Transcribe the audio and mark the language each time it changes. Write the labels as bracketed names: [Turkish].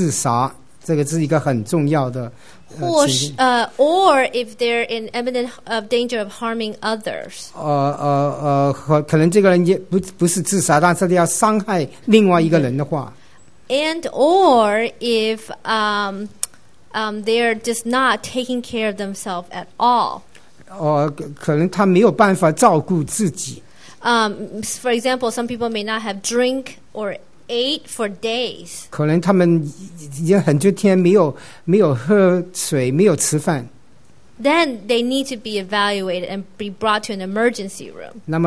[Chinese] 好像这个人好像就要去自杀，这个是一个很重要的。 [English] Or if they're in imminent danger of harming others. [Chinese] 可能这个人也不是自杀，但是要伤害另外一个人的话。 [English] And or if they're just not taking care of themselves at all. [Chinese] 可能他没有办法照顾自己。 [English] For example, some people may not have drink or ate for days. [Chinese] 可能他们已经很多天没有喝水，没有吃饭。 [English] Then they need to be evaluated and be brought to an emergency room.